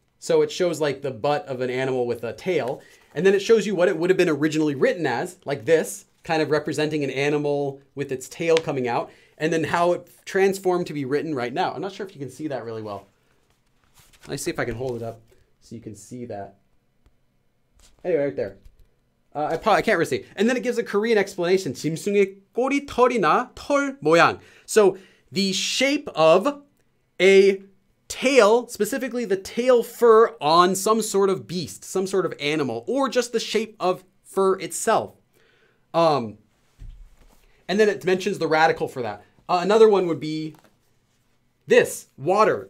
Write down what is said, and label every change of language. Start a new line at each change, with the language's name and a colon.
English: So it shows like the butt of an animal with a tail. And then it shows you what it would have been originally written as, like this, kind of representing an animal with its tail coming out. And then how it transformed to be written right now. I'm not sure if you can see that really well. Let me see if I can hold it up so you can see that. Anyway, right there. I can't really see. And then it gives a Korean explanation.
Korean: 짐승의 꼬리털이나 털 모양.
English: So the shape of a tail, specifically the tail fur on some sort of beast, some sort of animal, or just the shape of fur itself. And then it mentions the radical for that. Another one would be this, water.